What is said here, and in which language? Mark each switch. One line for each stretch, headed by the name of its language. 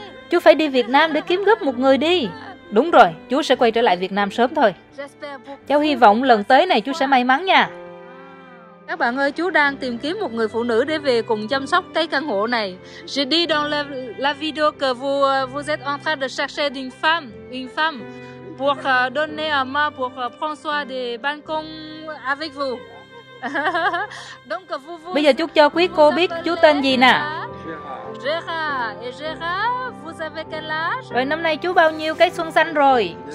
Vietnamese: Chú phải đi Việt Nam để kiếm gấp một người đi. Đúng rồi, chú sẽ quay trở lại Việt Nam sớm thôi. Cháu hy vọng lần tới này chú sẽ may mắn nha. Các bạn ơi, chú đang tìm kiếm một người phụ nữ để về cùng chăm sóc cái căn hộ này.
French: J'ai dit dans la vidéo que vous êtes en train de chercher une femme. Pour donner à moi pour prendre soin des balcons avec vous. Donc vous.
Vietnamese: Bây giờ chú cho quý cô biết chú tên gì nè. Gérard.
French: Et Gérard, vous avez quel âge?
Vietnamese: Rồi năm nay chú bao nhiêu cái xuân xanh rồi?